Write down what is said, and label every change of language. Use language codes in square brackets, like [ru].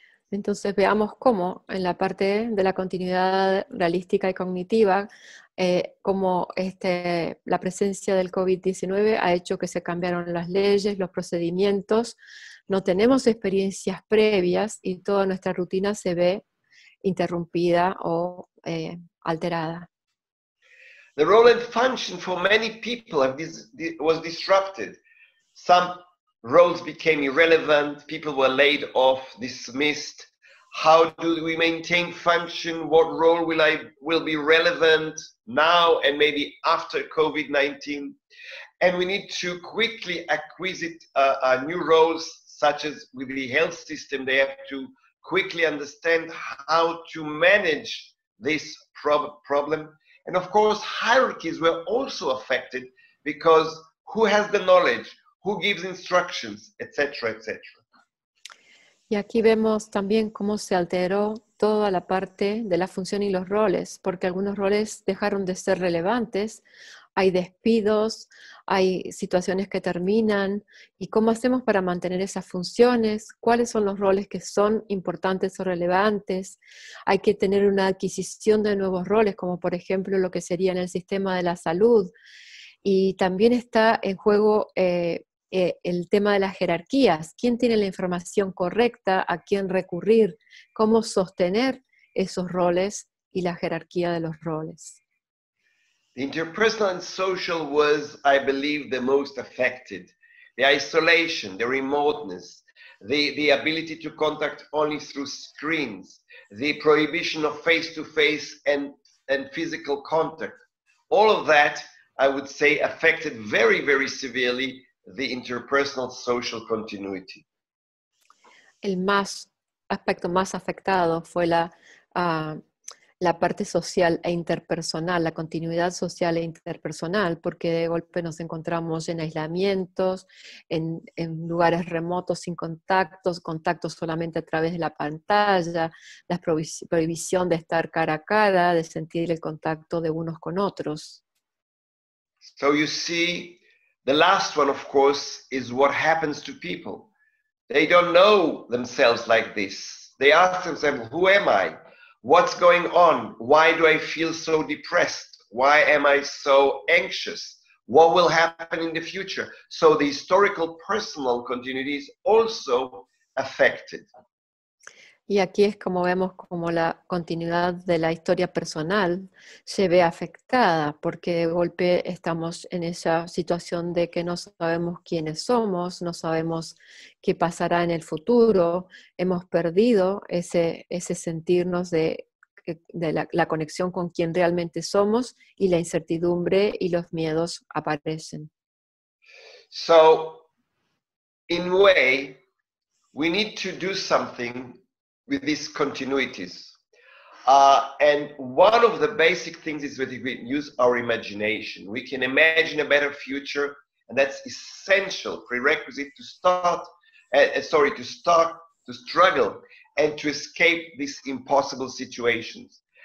[es] Entonces veamos cómo, en la parte de la continuidad realística y cognitiva, cómo la presencia del COVID-19 ha hecho que se cambiaron las leyes, los procedimientos, no tenemos experiencias previas y toda nuestra rutina se ve interrumpida o alterada. [en] The role and function for many people was disrupted. Some roles became irrelevant, people were laid off, dismissed. How do we maintain function? What role will be relevant now and maybe after COVID-19? And we need to quickly acquisite new roles, such as with the health system. They have to quickly understand how to manage this problem. And of course, hierarchies were also affected because who has the knowledge? Who gives instructions, etc., etc. [es] Y aquí vemos también cómo se alteró toda la parte de la función y los roles, porque algunos roles dejaron de ser relevantes, hay despidos, hay situaciones que terminan, y cómo hacemos para mantener esas funciones, cuáles son los roles que son importantes o relevantes, hay que tener una adquisición de nuevos roles, como por ejemplo lo que sería en el sistema de la salud, y también está en juego el tema de las jerarquías, quién tiene la información correcta, a quién recurrir, cómo sostener esos roles y la jerarquía de los roles. [en] The interpersonal and social was, I believe, the most affected. The isolation, the remoteness, the ability to contact only through screens, the prohibition of face-to-face and physical contact. All of that, I would say, affected very, very severely the interpersonal social continuity. [es] El más aspecto más afectado fue la parte social e interpersonal, la continuidad social e interpersonal, porque de golpe nos encontramos en aislamientos, en lugares remotos sin contactos, contactos solamente a través de la pantalla, la prohibición de estar cara a cara, de sentir el contacto de unos con otros. [en] So you see, the last one, of course, is what happens to people. They don't know themselves like this. They ask themselves, who am I? What's going on? Why do I feel so depressed? Why am I so anxious? What will happen in the future? So the historical personal continuity is also affected. [es] Y aquí es como vemos como la continuidad de la historia personal se ve afectada, porque de golpe estamos en esa situación de que no sabemos quiénes somos, no sabemos qué pasará en el futuro, hemos perdido ese sentirnos de la conexión con quién realmente somos, y la incertidumbre y los miedos aparecen. [en] So, in a way, we need to do something with these continuities. And one of the basic things is that we use our imagination. We can imagine a better future, and that's essential prerequisite to struggle and to escape these impossible situations.